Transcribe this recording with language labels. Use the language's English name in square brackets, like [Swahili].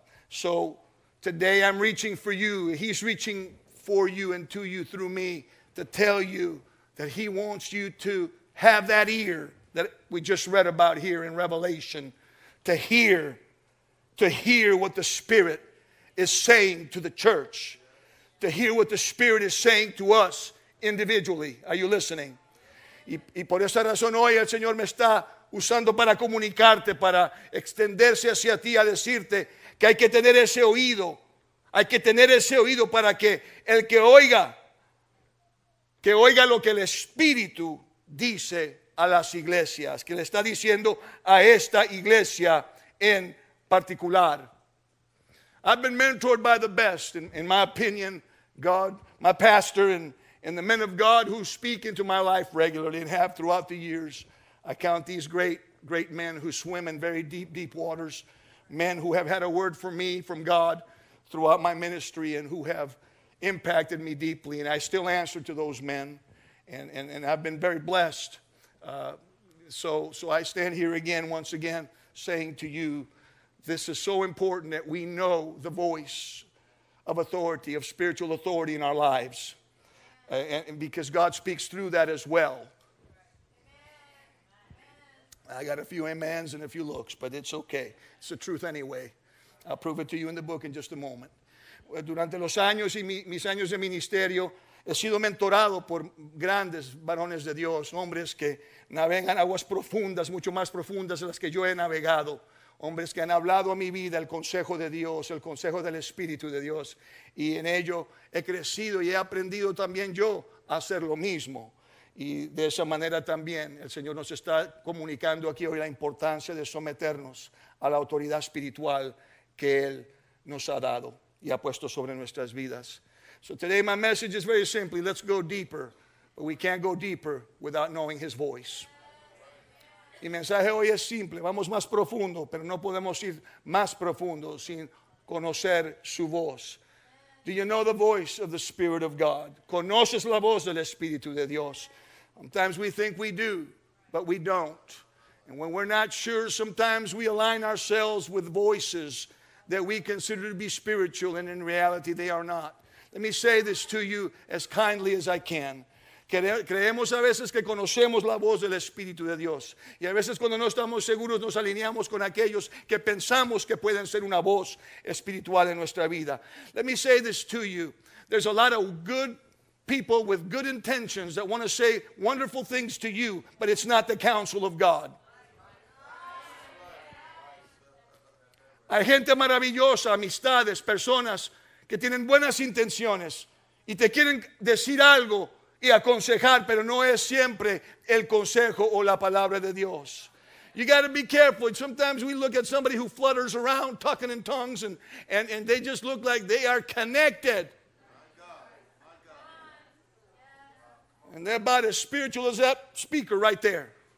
[English] So today I'm reaching for you, He's reaching for you and to you through me to tell you that He wants you to have that ear that we just read about here in Revelation, to hear what the Spirit is saying to the church, to hear what the Spirit is saying to us individually. Are you listening? [Spanish] Y por esa razón hoy el Señor me está usando para comunicarte, para extenderse hacia ti, a decirte que hay que tener ese oído. Hay que tener ese oído para que el que oiga lo que el Espíritu dice a las iglesias, que le está diciendo a esta iglesia en particular. [English] I've been mentored by the best, in my opinion, God, my pastor, and the men of God who speak into my life regularly and have throughout the years. I count these great, great men who swim in very deep, deep waters, men who have had a word for me from God throughout my ministry and who have impacted me deeply, and I still answer to those men, and I've been very blessed. So I stand here again, once again, saying to you, this is so important that we know the voice of authority, of spiritual authority in our lives. And because God speaks through that as well. I got a few amens and a few looks, but it's okay. It's the truth anyway. I'll prove it to you in the book in just a moment. [Spanish] Durante los años y mis años de ministerio, he sido mentorado por grandes varones de Dios, hombres que navegan aguas profundas, mucho más profundas de las que yo he navegado. Hombres que han hablado a mi vida el consejo de Dios, el consejo del Espíritu de Dios. Y en ello he crecido y he aprendido también yo a hacer lo mismo. Y de esa manera también el Señor nos está comunicando aquí hoy la importancia de someternos a la autoridad espiritual que Él nos ha dado y ha puesto sobre nuestras vidas. [English] So today my message is very simply, let's go deeper. But we can't go deeper without knowing His voice. [Spanish] Mi mensaje hoy es simple, vamos más profundo, pero no podemos ir más profundo sin conocer su voz. [English] Do you know the voice of the Spirit of God? [Spanish] ¿Conoces la voz del Espíritu de Dios? [English] Sometimes we think we do, but we don't. And when we're not sure, sometimes we align ourselves with voices that we consider to be spiritual, and in reality they are not. Let me say this to you as kindly as I can. [Spanish] Creemos a veces que conocemos la voz del Espíritu de Dios, y a veces cuando no estamos seguros nos alineamos con aquellos que pensamos que pueden ser una voz espiritual en nuestra vida. [English] Let me say this to you. There's a lot of good people with good intentions that want to say wonderful things to you, but it's not the counsel of God. [Spanish] Hay gente maravillosa, amistades, personas que tienen buenas intenciones y te quieren decir algo y aconsejar, pero no es siempre el consejo o la palabra de Dios. [English] You got to be careful. Sometimes we look at somebody who flutters around talking in tongues and they just look like they are connected. And they're about as spiritual as that speaker right there.